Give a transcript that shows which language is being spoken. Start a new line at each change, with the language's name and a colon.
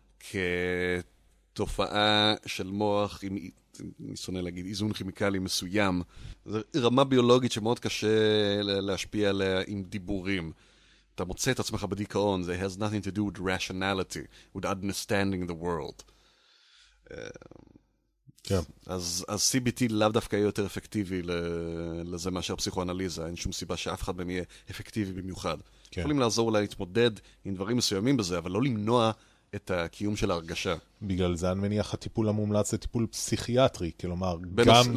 Hebrew: כתופעה של מוח עם, אני שונא להגיד, איזון כימיקלי מסוים. זו רמה ביולוגית שמאוד קשה להשפיע עליה עם דיבורים. אתה מוצא את עצמך בדיכאון, זה
English: has nothing to do with rationality, with understanding the world.
Hebrew: אז CBT לאו דווקא יהיה יותר אפקטיבי לזה מאשר פסיכואנליזה. אין שום סיבה שאף אחד מהם יהיה אפקטיבי במיוחד. יכולים לעזור אולי להתמודד עם דברים מסוימים בזה, אבל לא למנוע את הקיום של ההרגשה. בגלל זה אני מניח הטיפול המומלץ זה טיפול פסיכיאטרי, כלומר, גם